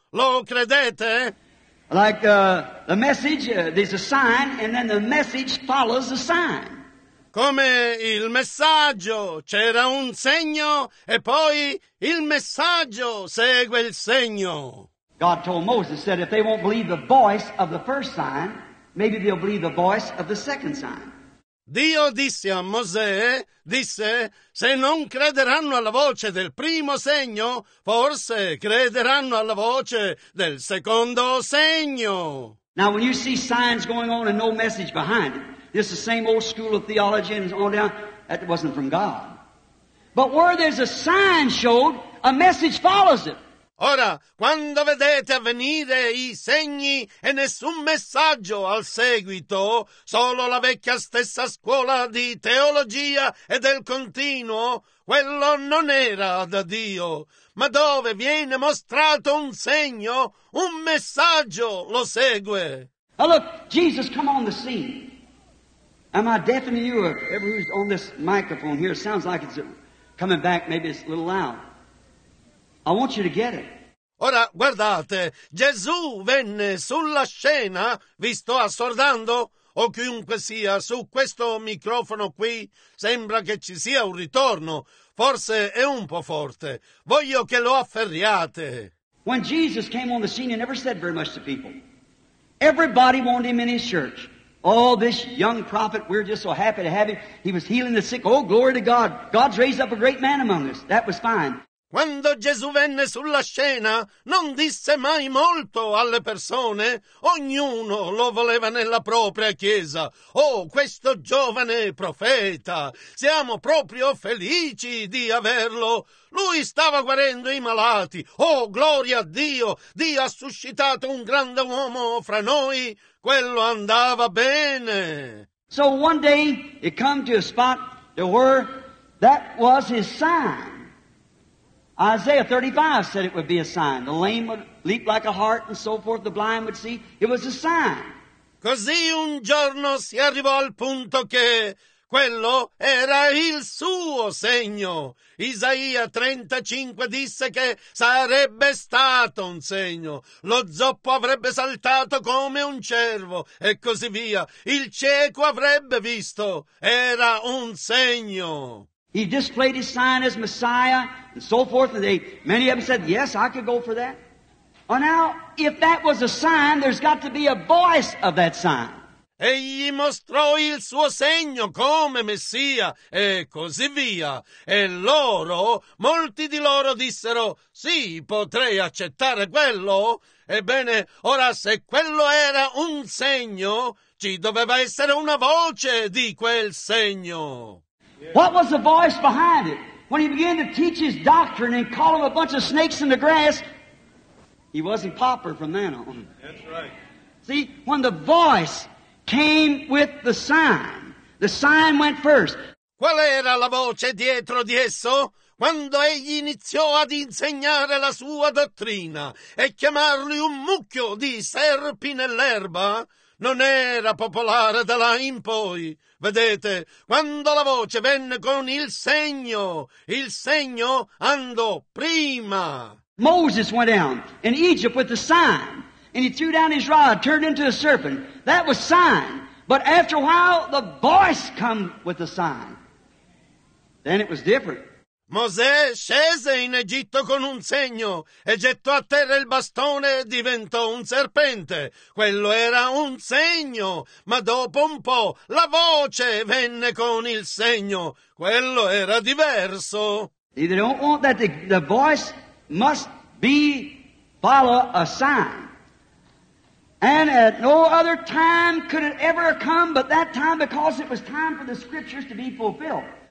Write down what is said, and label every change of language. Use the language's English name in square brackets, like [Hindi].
[Italian] Lo credete? [English] Like the message, there's a sign, and then the message follows the sign. [Italian] Come il messaggio, c'era un segno e poi il messaggio segue il segno. [English] God told Moses, said, if they won't believe the voice of the first sign, maybe they'll believe the voice of the second sign. [Italian] Dio disse a Mosè, disse, se non crederanno alla voce del primo segno, forse crederanno alla voce del secondo segno. [English] Now when you see signs going on and no message behind it, this is the same old school of theology and on down. That wasn't from God. But where there's a sign showed, a message follows it. [Italian] Ora, quando vedete avvenire i segni e nessun messaggio al seguito, solo la vecchia stessa scuola di teologia e del continuo, quello non era da Dio. Ma dove viene mostrato un segno, un messaggio lo segue. [English] Now look, Jesus, come on the scene. Am I deafening you or everyone who's on this microphone here? It sounds like it's coming back. Maybe it's a little loud. I want you to get it. [Italian] Ora, guardate, Gesù venne sulla scena, vi sto assordando, o chiunque sia, su questo microfono qui, sembra che ci sia un ritorno. Forse è un po' forte. Voglio che lo afferriate. [English] When Jesus came on the scene, he never said very much to people. Everybody wanted him in his church. Oh, this young prophet, we're just so happy to have him. He was healing the sick. Oh, glory to God. God's raised up a great man among us. That was fine. [Italian] Quando Gesù venne sulla scena, non disse mai molto alle persone. Ognuno lo voleva nella propria chiesa. Oh, questo giovane profeta. Siamo proprio felici di averlo. Lui stava guarendo i malati. Oh, gloria a Dio. Dio ha suscitato un grande uomo fra noi. Quello andava bene. [English] So one day it come to a spot to where that was his sign. Isaiah 35 said it would be a sign. The lame would leap like a hart and so forth, the blind would see. It was a sign. [Italian] Così un giorno si arrivò al punto che quello era il suo segno. Isaia 35 disse che sarebbe stato un segno. Lo zoppo avrebbe saltato come un cervo e così via. Il cieco avrebbe visto. Era un segno. [English] He displayed his sign as Messiah and so forth. And many of them said, yes, I could go for that. Well, now, if that was a sign, there's got to be a voice of that sign. [Italian] Egli mostrò il suo segno come Messia e così via. E loro, molti di loro dissero, sì, potrei accettare quello. Ebbene, ora se quello era un segno, ci doveva essere una voce di quel segno. [English] What was the voice behind it? When he began to teach his doctrine and call him a bunch of snakes in the grass, he wasn't pauper from then on. That's right. See, when the voice came with the sign went first. [Italian] Qual era la voce dietro di esso? Quando egli iniziò ad insegnare la sua dottrina e chiamarli un mucchio di serpi nell'erba, non era popolare da là in poi. Vedete, quando la voce venne con il segno andò prima. [English] Moses went down in Egypt with the sign, and he threw down his rod, turned into a serpent. That was sign. But after a while, the voice come with the sign. Then it was different. [Italian] Mosè scese in Egitto con un segno e gettò a terra il bastone e diventò un serpente. Quello era un segno, ma dopo un po' la voce venne con il segno. Quello era diverso. [English] They don't want that the voice must be follow a sign. And at no other time could it ever come but that time because it was time for the scriptures to be fulfilled.